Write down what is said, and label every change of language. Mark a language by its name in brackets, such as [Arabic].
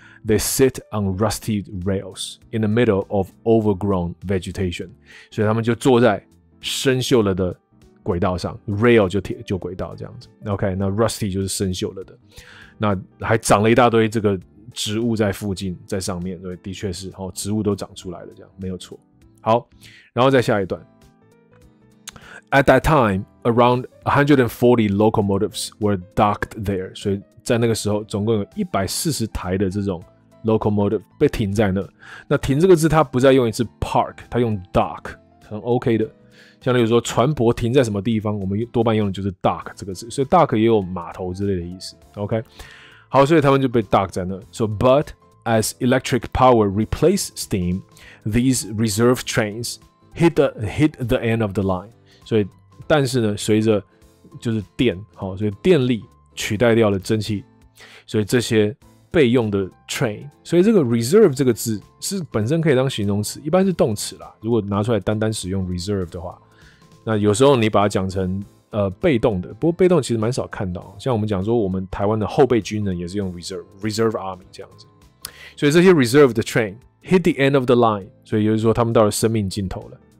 [English] They sit on rusty rails in the middle of overgrown vegetation， [Chinese] 所以他们就坐在生锈了的轨道上 ，rail 就铁就轨道这样子。 OK， 那 rusty 就是生锈了的，那还长了一大堆这个植物在附近，在上面，对，的确是哦，植物都长出来了，这样没有错。好，然后再下一段。 [English] At that time, around 140 locomotives were docked there. [Chinese] 所以在那个时候，总共有140台的这种 locomotive 被停在那。那停这个字，它不再用一次 park， 它用 dock， 很 OK 的。像例如说船舶停在什么地方，我们多半用的就是 dock 这个字。所以 dock 也有码头之类的意思。OK， 好，所以他们就被 dock 在那。 [English] So, but as electric power replaced steam, these reserve trains hit the end of the line. [Chinese] 所以，但是呢，随着就是电，好，所以电力取代掉了蒸汽，所以这些备用的 train， 所以这个 reserve 这个字是本身可以当形容词，一般是动词啦。如果拿出来单单使用 reserve 的话，那有时候你把它讲成被动的，不过被动其实蛮少看到，像我们讲说我们台湾的后备军人也是用 reserve army 这样子，所以这些 reserve 的 train [English] hit the end of the line， [Chinese] 所以就是说他们到了生命尽头了。